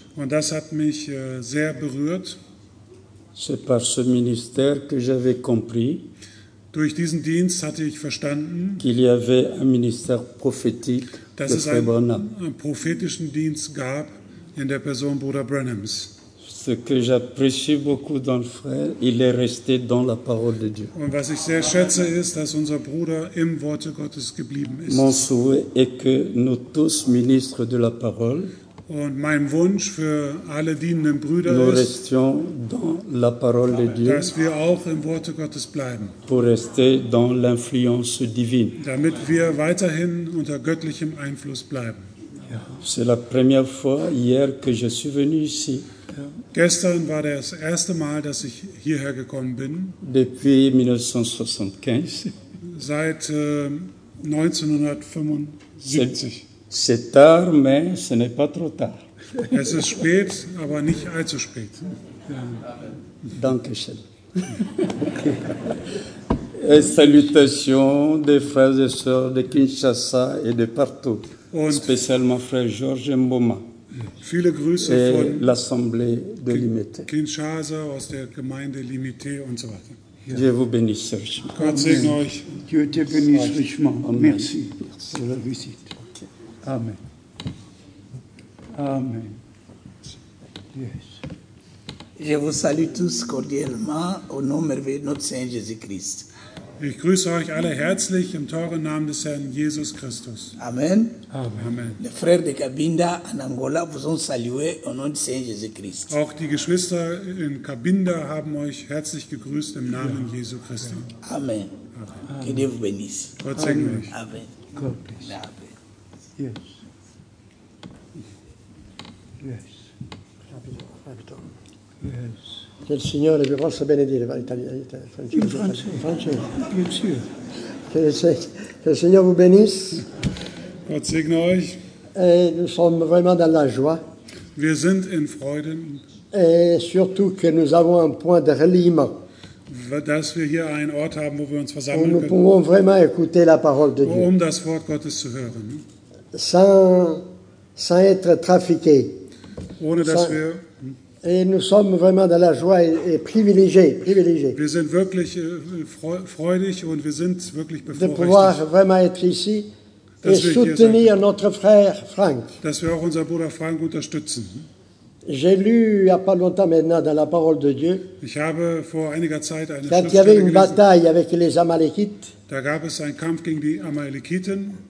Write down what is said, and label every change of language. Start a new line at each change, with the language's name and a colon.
German: Und das hat mich sehr berührt.
French: C'est par ce ministère que j'avais compris.
German: Durch diesen Dienst hatte ich verstanden,
French: qu'il y avait un ministère prophétique.
German: Dass es einen prophetischen Dienst gab in der Person Bruder Branhams.
French: Ce que j'apprécie beaucoup dans le frère, il est resté dans la parole de Dieu.
German: Und was ich sehr schätze ist, dass unser Bruder im Worte Gottes geblieben ist.
French: Mon souhait est que nous tous ministres de la parole.
German: Und mein Wunsch für alle dienenden Brüder
French: nous
German: ist,
French: restions dans la parole de Dieu,
German: dass wir auch im Worte Gottes bleiben,
French: pour rester dans l'influence divine,
German: damit wir weiterhin unter göttlichem Einfluss bleiben. Ja.
French: C'est la première fois hier que je suis venu ici.
German: Ja. Gestern war das erste Mal, dass ich hierher gekommen bin.
French: Depuis 1975.
German: Seit 1975.
French: C'est tard, mais ce n'est pas trop tard.
German: Es ist spät, aber nicht allzu spät. Danke schön.
French: Et salutations des frères et sœurs de Kinshasa et de partout, und spécialement frère Georges Mboma.
German: Viele Grüße
French: et
German: von
French: l'Assemblée de Limité.
German: Kinshasa, aus der Gemeinde Limité und so weiter.
French: Ja. Dieu vous bénisse richement.
German: Gott segne euch.
French: Dieu te bénisse richement. Merci pour la visite. Okay. Amen. Amen.
English: Yes.
French: Je vous salue tous cordialement au nom merveilleux de notre Seigneur Jésus-Christ.
German: Ich grüße euch alle herzlich im teuren Namen des Herrn Jesus Christus. Amen. Amen.
French: Les frères de Cabinda en Angola vous ont salué au nom du Seigneur Jésus Christ.
German: Auch die Geschwister in Cabinda haben euch herzlich gegrüßt im Namen Jesu Christi.
French: Amen. Amen. Que Dieu vous bénisse.
German: Gott segne euch. Amen.
English: Gott bless. Amen. Yes. Yes. Yes.
Italian: Che il Signore vi possa benedire, che il Signore vi benisse.
German: Gott segne euch.
French: Et nous sommes vraiment dans la joie.
German: Wir sind in Freuden.
French: Et surtout que nous avons un point de reliement.
German: Dass wir hier einen Ort haben, wo wir uns versammeln können.
French: Où nous pouvons vraiment écouter la parole de Dieu.
German: Um das Wort Gottes zu hören.
French: Sans être trafiqué.
German: Ohne dass wir.
French: Et nous sommes vraiment dans la joie et privilégiés.
German: Wir sind wirklich freudig und wir sind wirklich bevorrechtet.
French: De pouvoir vraiment être ici et soutenir notre frère Frank.
German: Dass wir auch unser Bruder Frank unterstützen.
French: J'ai lu il y a pas longtemps maintenant dans la parole de Dieu.
German: Ich habe vor einiger Zeit eine Schriftstelle gelesen.
French: Il y avait une bataille avec les Amalekites.
German: Da gab es einen Kampf gegen die Amalekiten.